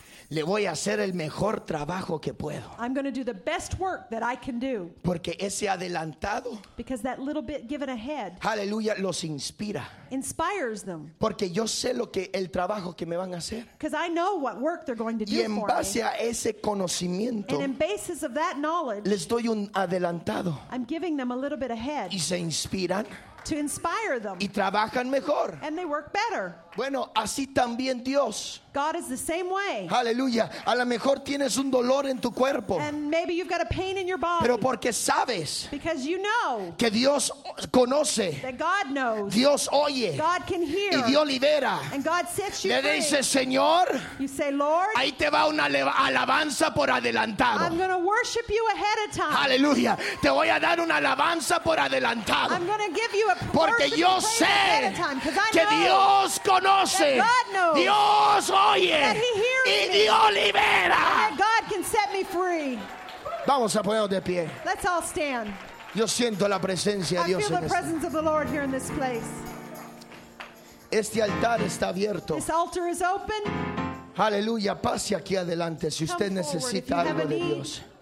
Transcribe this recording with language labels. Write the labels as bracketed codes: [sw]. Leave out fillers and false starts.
[es] Le voy a hacer el mejor trabajo que puedo. [en] I'm going to do the best work that I can do. [es] Porque ese adelantado. [en] Because that little bit given ahead. [es] Aleluya, los inspira. [en] Inspires them. [es] Porque yo sé lo que el trabajo que me van a hacer. [en] Because I know what work they're going to do. [es] Y en base a ese conocimiento. [en] And in basis of that knowledge. [es] Les doy un adelantado. [en] I'm giving them a little bit ahead. [es] Y se inspiran. [en] To inspire them. [es] Y trabajan mejor. [en] And they work better. [es] Bueno, así también Dios. [en] God is the same way. [es] Aleluya. A lo mejor tienes un dolor en tu cuerpo. [en] And maybe you've got a pain in your body. [es] Pero porque sabes. [en] Because you know. [es] Que Dios conoce. [en] That God knows. [es] Dios oye. [en] God can hear. [es] Y Dios libera. [en] And God sets you [es] Le [en] free. [es] Le dice, Señor. [en] You say, Lord. [es] Ahí te va una alabanza por adelantado. [en] I'm going to worship you ahead of time. [es] Aleluya. Te voy a dar una alabanza por adelantado. [en] I'm going to give you a [es] porque yo sé que Dios conoce. [en] God knows. [es] Dios oye. [en] That he hears [es] y Dios libera. [en] And that God can set me free. [es] Vamos a ponernos de pie. [en] Let's all stand. [es] Yo siento la presencia de Dios [en] en the presence of the Lord here in this place. [es] Este altar está abierto. [en] This altar is open. [es] Aleluya, pase aquí adelante si usted necesita algo de Dios.